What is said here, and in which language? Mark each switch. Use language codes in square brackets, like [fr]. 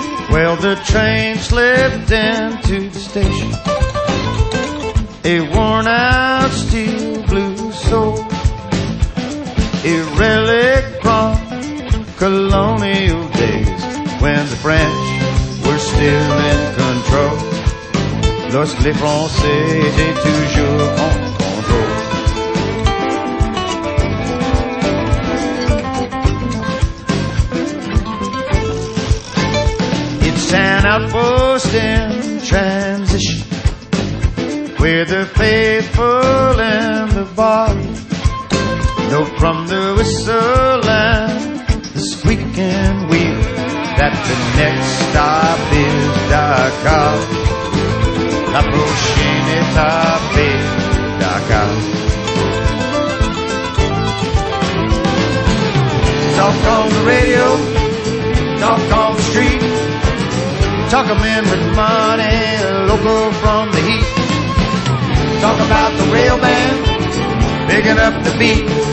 [en] Well, the train slipped into the station. A worn-out steel blue soul, a relic from colonial days when the French were still in control. [fr] Lorsque les Français étaient toujours en contrôle. [en] It's an outpost in transition, where the faithful and the bar know from the whistle and the squeaking wheel that the next stop is Dakar. [fr] La prochaine étape est Dakar. [en] Talk on the radio, talk on the street, talk a man with money, local from the heat. Talk about the rail band picking up the beat.